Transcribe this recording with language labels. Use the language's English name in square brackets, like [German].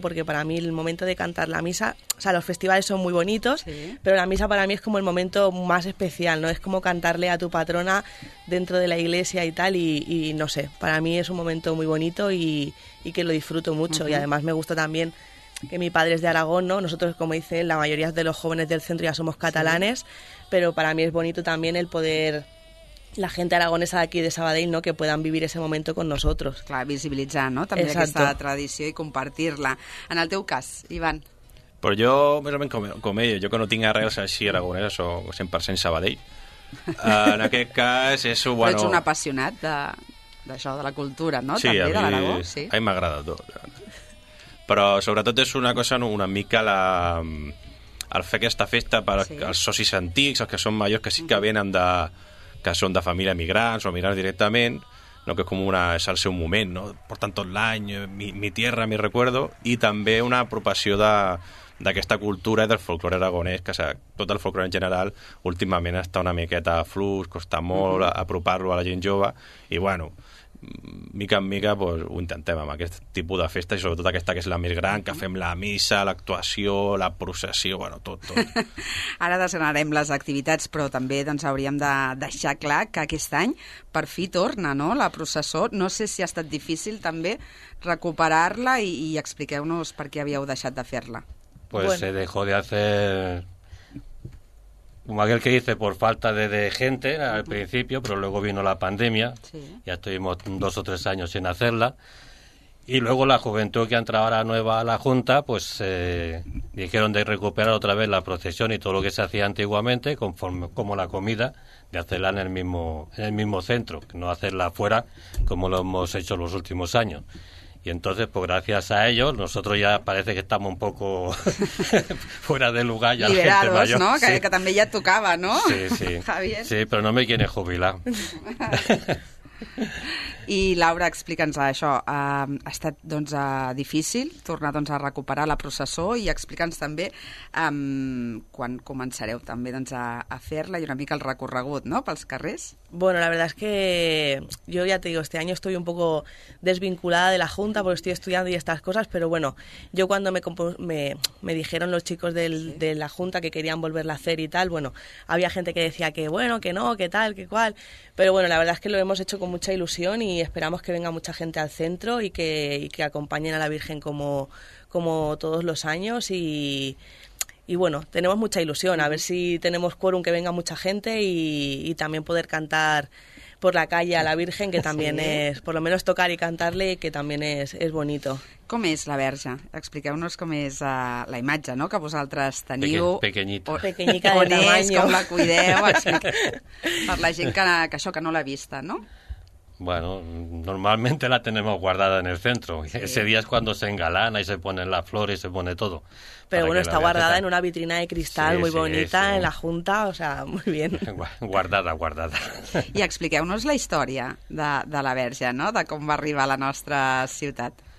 [Spanish] Porque para mí el momento de cantar la misa, o sea, los festivales son muy bonitos, sí, pero la misa para mí es como el momento más especial, ¿no? Es como cantarle a tu patrona dentro de la iglesia y tal, y no sé, para mí es un momento muy bonito y que lo disfruto mucho. Uh-huh. Y además me gusta también que mi padre es de Aragón, ¿no? Nosotros, como dice, la mayoría de los jóvenes del centro ya somos catalanes, sí, pero para mí es bonito también el poder, la gente aragonesa de aquí, de Sabadell, ¿no?, que puedan vivir ese momento con nosotros. [Catalan] Clar, visibilitzar, ¿no?, també [Spanish] exacto, [Catalan] aquesta tradició i compartir-la. En el teu cas, Ivan. [Spanish] Pues yo, más o menos como ellos, yo que no tengo arreglos así aragoneses o 100% Sabadell. [Catalan] En aquest cas, eso, bueno... Però ets un apassionat d'això, de la cultura, ¿no?, sí, també, de l'Aragó. Sí, a mi m'agrada tot. Però sobretot és una cosa, una mica el fer aquesta festa per als sí, socis antics, els que són majors, que sí que venen de... que són de família migrants o migrants directament, no, que és com una, és el seu moment, no? Porten tot l'any, [Spanish] mi tierra, mi recuerdo, [Catalan] i també una apropació d'aquesta cultura del folclore aragonès, que, o sea, tot el folclore en general últimament està una miqueta a flux, costa molt apropar-lo a la gent jove, i bueno... mica en mica pues, ho intentem amb aquest tipus de festa i sobretot aquesta que és la més gran, que fem la missa, l'actuació, la processió, bueno, tot. Ara desgranarem les activitats, però també doncs, hauríem de deixar clar que aquest any per fi torna, no?, la processó. No sé si ha estat difícil també recuperar-la i expliqueu-nos per què havíeu deixat de fer-la. [Spanish] Pues bueno, se dejó de hacer... como aquel que dice, por falta de gente al principio, pero luego vino la pandemia, sí, ya estuvimos 2 o 3 años sin hacerla, y luego la juventud que entra ahora nueva a la Junta, pues dijeron de recuperar otra vez la procesión y todo lo que se hacía antiguamente, conforme, como la comida, de hacerla en el mismo centro, no hacerla afuera como lo hemos hecho los últimos años. Y entonces, pues gracias a ellos, nosotros ya parece que estamos un poco fuera de lugar ya. Liberados, la gente mayor, ¿no? Sí. Que también ya tocaba, ¿no? Sí, sí. Javier. Sí, pero no me quieren jubilar. [Catalan] I Laura, explica'ns això. Ha estat doncs, difícil tornar doncs, a recuperar la processó i explica'ns també quan començareu també doncs, a fer-la i una mica el recorregut no?, pels carrers. [Spanish] Bueno, la verdad es que yo ya te digo, este año estoy un poco desvinculada de la Junta porque estoy estudiando y estas cosas, pero bueno, yo cuando me dijeron los chicos de la Junta que querían volverla a hacer y tal, bueno, había gente que decía que bueno, que no, que tal, que cual, pero bueno, la verdad es que lo hemos hecho con mucha ilusión y esperamos que venga mucha gente al centro y que acompañen a la Virgen como todos los años y bueno, tenemos mucha ilusión, a ver si tenemos quórum que venga mucha gente y también poder cantar por la calle a la Virgen, que también sí. Es, por lo menos tocar y cantarle, que también es bonito. [Catalan] ¿Com és la Verge? Expliqueu-nos com és la imatge, no?, que vosaltres teniu. [Spanish] Pequeñita. O, pequeñica de tamaño. [Catalan] Com la cuideu, per la gent que això que no l'ha vista, no? [Spanish] Bueno, normalmente la tenemos guardada en el centro. Sí. Ese día es cuando se engalana y se ponen las flores y se pone todo. Pero bueno, está guardada en una vitrina de cristal sí, muy sí, bonita sí. En la Junta, o sea, muy bien. Guardada. [Catalan] Y expliqueu-nos la historia de la Verge, ¿no?, [Spanish] de cómo [Catalan] va a arribar a la nuestra ciudad.